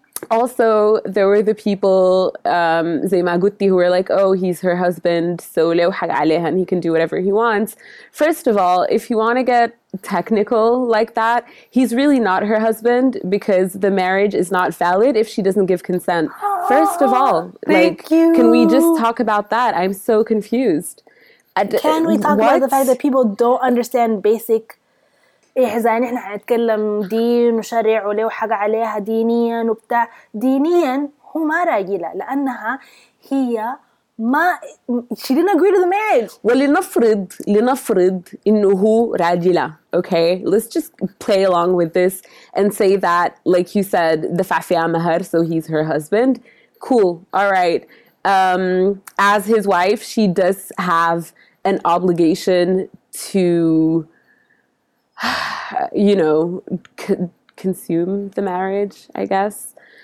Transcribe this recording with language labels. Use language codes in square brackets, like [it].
[en] Also, there were the people, Zeymagutti, who were like, oh, he's her husband, so [ar] لو حق عليها, [en] and he can do whatever he wants. First of all, if you want to get technical like that, he's really not her husband because the marriage is not valid if she doesn't give consent. First of all, can we just talk about that? I'm so confused. Can we talk about the fact that people don't understand basic [ar] إيه زين إحنا هنتكلم دين وشريعة وليه وحاجة عليها دينياً وبتاع دينياً هو ما راجلة لأنها هي ما [en] she didn't agree to the marriage. [ar] ولنفرض إنه هو راجلة. [en] Okay, let's just play along with this and say that, like you said, [ar] دفع فيها مهر, [en] so he's her husband. Cool. All right. As his wife, she does have an obligation to, you know, consume the marriage, I guess.